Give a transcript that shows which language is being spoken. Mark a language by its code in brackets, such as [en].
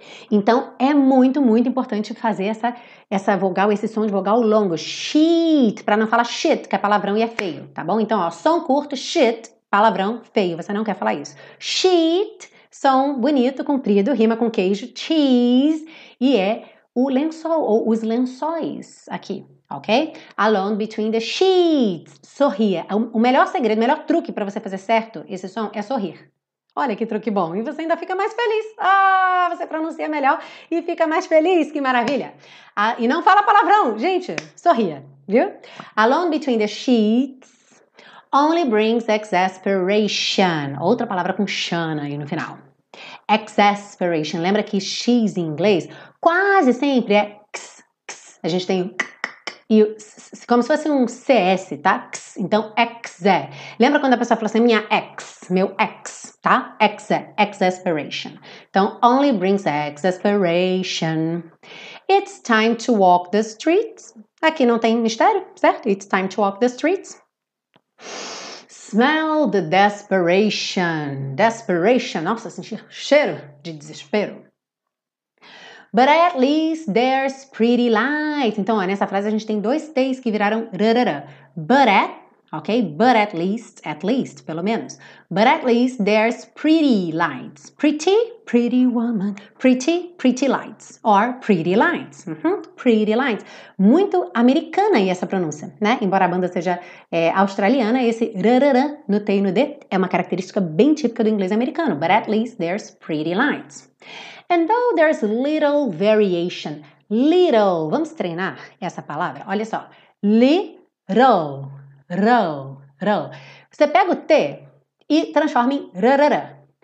[pt] Então, é muito, muito importante fazer essa vogal, esse som de vogal longo, shit, pra não falar shit, que é palavrão e é feio, tá bom? Então, ó, som curto, shit, palavrão, feio, você não quer falar isso. Shit, são bonito, comprido, rima com queijo, cheese, e é o lençol ou os lençóis aqui, ok? [en] Alone between the sheets, sorria. [pt] O melhor segredo, o melhor truque para você fazer certo esse som é sorrir. Olha que truque bom, e você ainda fica mais feliz. Ah, você pronuncia melhor e fica mais feliz, que maravilha. Ah, e não fala palavrão, gente, sorria, viu? [en] Alone between the sheets only brings exasperation. [pt] Outra palavra com chan aí no final. Exasperation. Lembra que X em inglês quase sempre é X, X. A gente tem o K, K, K e o S, como se fosse um CS, tá? X. Então, exé. Lembra quando a pessoa fala assim, minha ex, meu ex, tá? Exé, exasperation. [en] Então, only brings exasperation. It's time to walk the streets. [pt] Aqui não tem mistério, certo? [en] It's time to walk the streets. Smell the desperation. Desperation. [pt] Nossa, sentir cheiro de desespero. [en] But at least there's pretty light. [pt] Então, ó, nessa frase a gente tem dois T's que viraram rarara. [en] But at, ok? But at least, [pt] pelo menos. [en] But at least there's pretty lights. Pretty, pretty woman. Pretty, pretty lights. Or pretty lights. Uh-huh. Pretty lights. [pt] Muito americana aí essa pronúncia, né? Embora a banda seja australiana, esse rarara no T e no D é uma característica bem típica do inglês americano. [en] But at least there's pretty lights. And though there's little variation. Little. [pt] Vamos treinar essa palavra. Olha só. Little. Row, row. Você pega o T e transforma em rarara.